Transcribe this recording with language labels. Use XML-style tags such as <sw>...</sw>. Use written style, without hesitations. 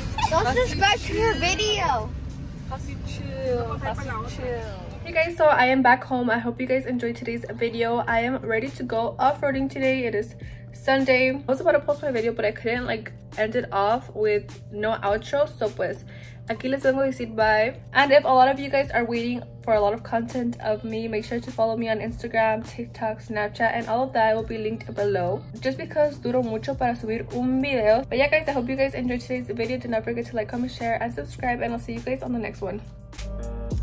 <en>don't subscribe to the video. Hey guys, so I am back home. I hope you guys enjoyed today's video. I am ready to go off-roading today. It is Sunday. I was about to post my video, but I couldn't like end it off with no outro.</en> <es>So pues, aquí les vengo a decir</es> <en>bye. And if a lot of you guys are waiting for a lot of content of me, make sure to follow me on Instagram, TikTok, Snapchat, and all of that will be linked below. Just because</en> <es>duro mucho para subir un video.</es> <en>But yeah guys, I hope you guys enjoyed today's video. Do not forget to like, comment, share, and subscribe. And I'll see you guys on the next one.</en>